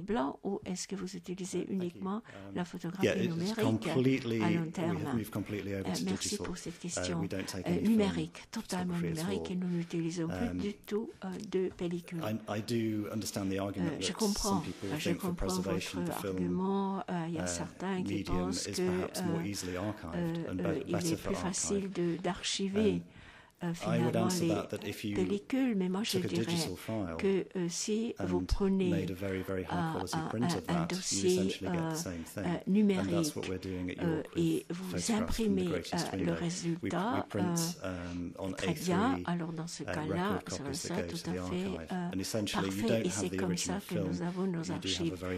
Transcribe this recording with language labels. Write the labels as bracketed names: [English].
[French] Blanc, ou est-ce que vous utilisez uniquement la photographie numérique à long terme? [English] We've completely over to digital. [French] Merci pour cette question. Numérique, totalement numérique, et nous n'utilisons plus du tout de pellicule. [English] I do understand the argument that some people think for preservation of the film. [French] Certains qui pensent que il est plus facile d'archiver finalement les pellicules, mais moi je dirais que si vous prenez un dossier numérique et vous imprimez le résultat, très bien, alors dans ce cas-là, ça va être tout à fait parfait, et c'est comme ça que nous avons nos archives.